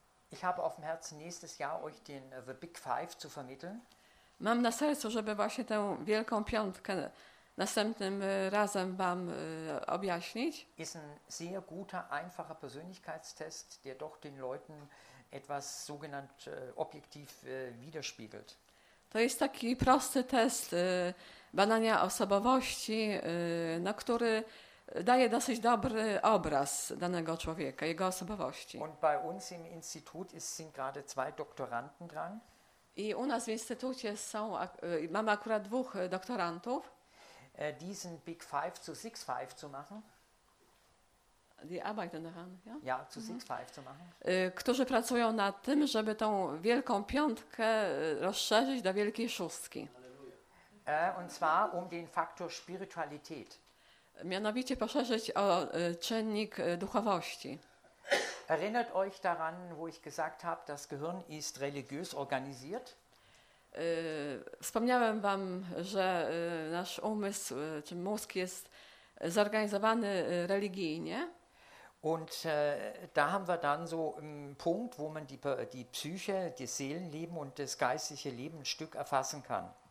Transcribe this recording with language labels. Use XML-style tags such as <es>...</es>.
<de>Ich habe auf dem Herzen nächstes Jahr euch den The Big Five zu vermitteln.</de> <pl>Mam na sercu, żeby właśnie tę wielką piątkę następnym razem wam objaśnić.</pl> <de>Ist ein sehr guter, einfacher Persönlichkeitstest, der doch den Leuten etwas sogenannt objektiv widerspiegelt.</de> <pl>To jest taki prosty test badania osobowości, no, który daje dosyć dobry obraz danego człowieka, jego osobowości.</pl> <de>Und bei uns im Institut sind gerade zwei Doktoranden dran.</de> <pl>I u nas w instytucie są, mamy akurat dwóch doktorantów.</pl> <de>Diesen Big Five zu Six Five zu machen. Die arbeiten daran, ja? Ja, zu Six Five zu machen.</de> <pl>Którzy pracują nad tym, żeby tą wielką piątkę rozszerzyć do wielkiej szóstki.</pl> <de>Und zwar um den Faktor Spiritualität.</de> <pl>Mianowicie poszerzyć o czynnik duchowości.</pl> <de>Erinnert euch daran, wo ich gesagt habe, das Gehirn ist religiös organisiert?</de> <pl>Wspomniałem wam, że nasz umysł, czy mózg jest zorganizowany religijnie.</pl> <de>Und da haben wir dann so einen Punkt, wo man die Psyche, das Seelenleben und das geistige Leben ein Stück erfassen kann.</de>